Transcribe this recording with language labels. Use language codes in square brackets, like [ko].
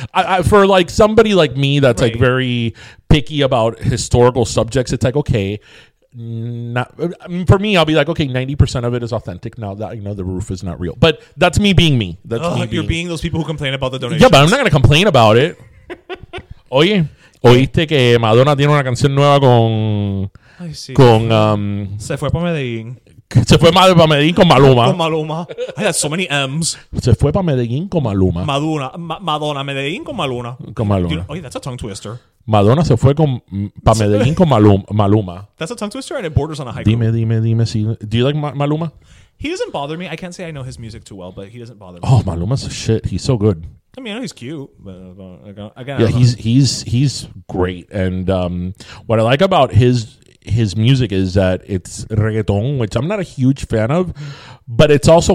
[en] I for, like, somebody like me that's, right. like, very picky about historical subjects, it's like, okay. For me, I'll be like, okay, 90% of it is authentic now that, you know, the roof is not real. But that's me being me. You're being those people who complain about the donations. Yeah, but I'm not going to complain about it. [es] Oye. Oíste que Madonna tiene una canción nueva con Se fue para Medellín. Se fue para Medellín con Maluma. Con Maluma. [en] I got so many M's. [es] Se fue para Medellín con Maluma. Madonna, Medellín con Maluma. Con Maluma. Dude, oye, [en] that's a tongue twister. [es] Madonna se fue con pa Medellín con Maluma. [en] That's a tongue twister and it borders on a haiku. [es] Dime. Si, [en] do you like Maluma? He doesn't bother me. I can't say I know his music too well, but he doesn't bother me. Oh, Maluma's a shit. He's so good. I mean, I know he's cute, but again, yeah, he's great. And what I like about his music is that it's reggaeton, which I'm not a huge fan of, but it's also